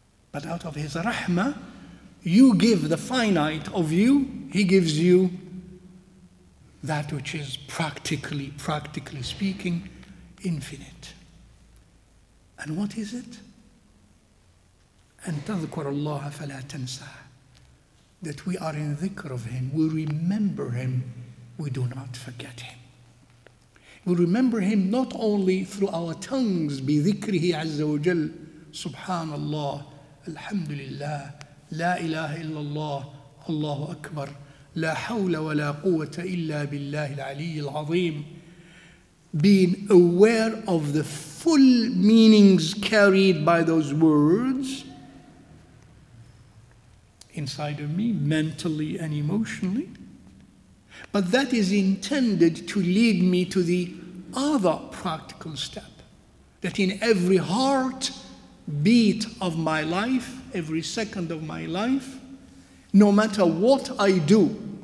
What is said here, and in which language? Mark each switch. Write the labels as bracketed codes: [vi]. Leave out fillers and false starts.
[en] But out of His rahmah, you give the finite of you, He gives you that which is practically speaking, infinite. And what is it? [ar] أن تذكر الله فلا تنسى. [en] That we are in dhikr of Him, we remember Him, we do not forget Him. We remember Him not only through our tongues, [ar] بذكره عز وجل, سبحان الله, الحمد لله, لا إله إلا الله, الله أكبر, لا حول ولا قوة إلا بالله العلي العظيم. [en] Being aware of the full meanings carried by those words inside of me, mentally and emotionally. But that is intended to lead me to the other practical step, that in every heart beat of my life, every second of my life, no matter what I do,